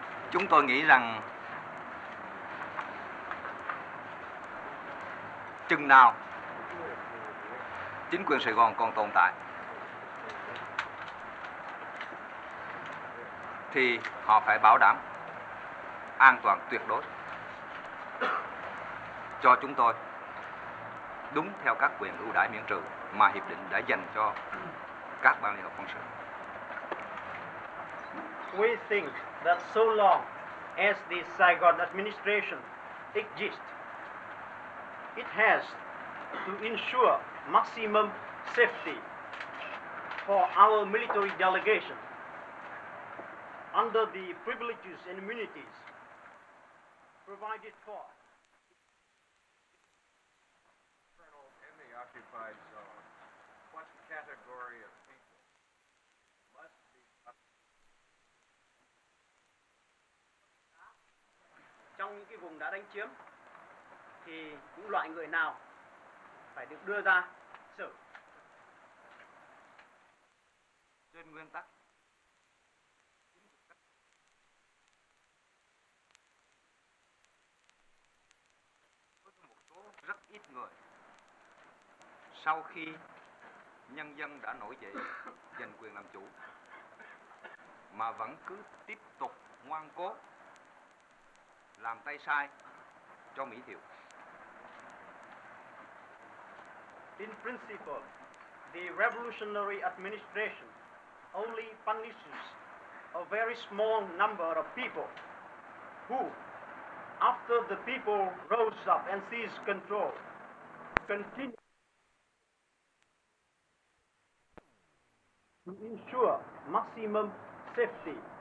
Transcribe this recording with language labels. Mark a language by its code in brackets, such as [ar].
[vi] Chúng tôi nghĩ rằng chừng nào chính quyền Sài Gòn còn tồn tại thì họ phải bảo đảm an toàn tuyệt đối cho chúng tôi đúng theo các quyền ưu đãi miễn trừ mà hiệp định đã dành cho các ban liên hợp quân sự. [en] We think that so long as the Saigon administration exists, it has to ensure maximum safety for our military delegation under the privileges and immunities provided for. Colonel, in the occupied zone, what category of people must be... [vi] Trong những cái vùng đã đánh chiếm, thì những loại người nào phải được đưa ra xử? Trên nguyên tắc, rất ít người sau khi nhân dân đã nổi dậy giành quyền làm chủ mà vẫn cứ tiếp tục ngoan cố làm tay sai cho Mỹ Thiệu. [en] In principle, the revolutionary administration only punishes a very small number of people who, after the people rose up and seized control, continue to ensure maximum safety